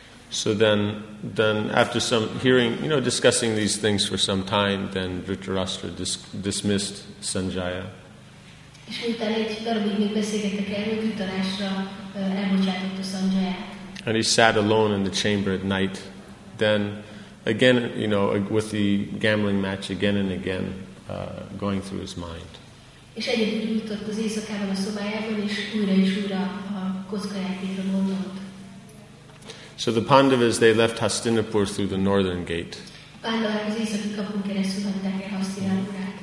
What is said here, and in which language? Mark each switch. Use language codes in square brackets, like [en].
[en] So then after some hearing, you know, discussing these things for some time, then Dhritarashtra dismissed Sanjaya. [hu] És miután egy darabig még beszélgettek erről, Dhritarashtra elbocsátott a Sanjayát. [en] And he sat alone in the chamber at night. Then, again, you know, with the gambling match again and again, going through his mind. [hu] És egyedül jutott az éjszakában a szobájában, és újra a kockajátékra gondolt. [en] So the Pandavas, they left Hastinapur through the northern gate. [hu] Pandavák az éjszaki kapun keresztül hagyták el Hastinapurát.